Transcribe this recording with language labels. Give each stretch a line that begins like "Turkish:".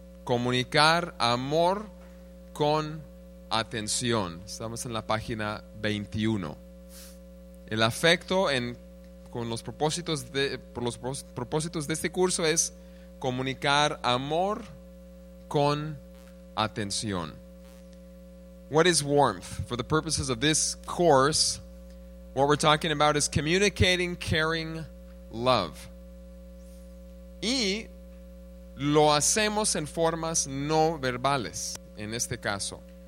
Spanish: Comunicar amor con atención. Estamos en la página 21. El afecto por los propósitos de este curso es comunicar amor con atención.
English: What is warmth? For the purposes of this course, what we're talking about is communicating caring love. Y
Spanish: lo hacemos en formas no verbales, en este caso.